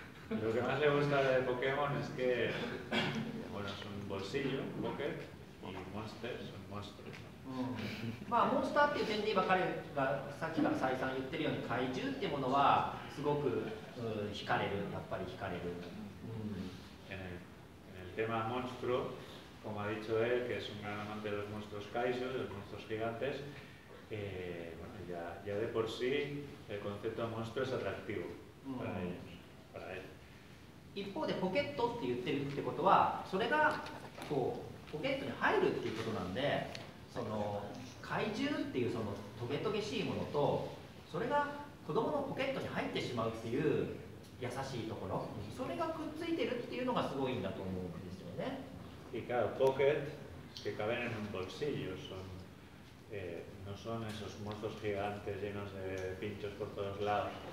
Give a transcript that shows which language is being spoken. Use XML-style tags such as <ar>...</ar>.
<es>Lo que más le gusta de Pokémon es que, bueno, es un bolsillo, un pocket, y monsters son monsters.</es> <ja>まあ、モンスターっていう点で言えば、彼がさっきから再三言ってるように、怪獣っていうものはすごく惹かれる、やっぱり惹かれる。</ja> <es>En el tema monstruo, como ha dicho él, que es un gran amante de los monstruos kaiju, de los monstruos gigantes, bueno, ya de por sí el concepto de monstruo es atractivo. Para ellos.</es> <ja>一方でポケットって言ってるってことはそれがこうポケットに入るっていうことなんでその怪獣っていうそのトゲトゲしいものとそれが子供のポケットに入ってしまうっていう優しいところそれがくっついてるっていうのがすごいんだと思うんですよね。</ja> <es>Y claro, pocket que caben en un bolsillo son, no son esos monstruos gigantes llenos de pinchos por todos lados.</es>